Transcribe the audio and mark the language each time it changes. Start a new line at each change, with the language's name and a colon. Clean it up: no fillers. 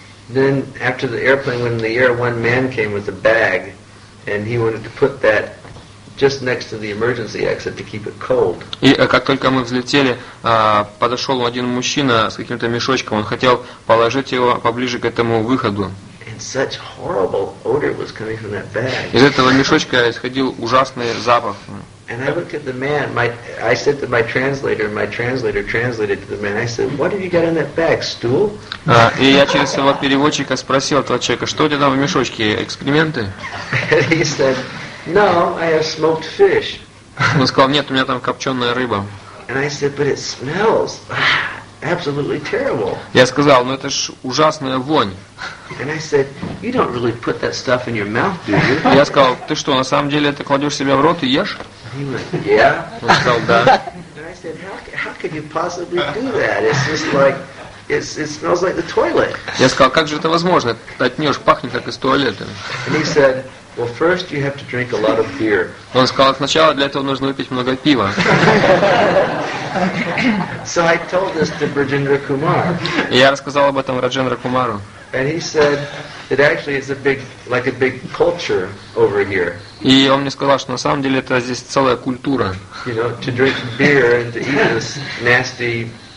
English: Then after the airplane went in the air, one man came with a bag, and he wanted to put that just next to the emergency exit to keep it cold.
Russian: И как только мы взлетели, подошел один мужчина с каким-то мешочком. Он хотел положить его поближе к этому выходу.
English: And such horrible odor was coming from that bag.
Russian: Из этого мешочка исходил ужасный запах.
English: And I looked at the man. I said to my translator, and my translator translated to the man. I said, "What have you got in that bag, stool?"
Russian: И я через своего переводчика спросил этого человека, что у тебя там в мешочке, экскременты?
English: He said, "No, I have smoked fish."
Russian: Он сказал, нет, у меня там копченая рыба.
English: And I said, "But it smells absolutely terrible."
Russian: Я сказал, ну это ж ужасная вонь.
English: And I said, "You don't really put that stuff in your mouth, do you?"
Russian: Я сказал, ты что, на самом деле это кладешь себе в рот и ешь?
English: He went, "Yeah."
Russian: Он сказал, да.
English: And I said, "How could you possibly do that? It's just like..." It smells like the toilet.
Russian: Я сказал, как же это возможно? От нее ж пахнет как из туалета.
English: And he said, "Well, first you have to drink a lot of beer."
Russian: Он сказал, сначала для этого нужно выпить много пива.
English: So I told this to Rajendra Kumar.
Russian: Я рассказал об этом Раджендра Кумару.
English: And he said, "It actually is a big culture over here."
Russian: И он мне сказал, что на самом деле это здесь целая культура.
English: You know, to drink beer and to eat this nasty.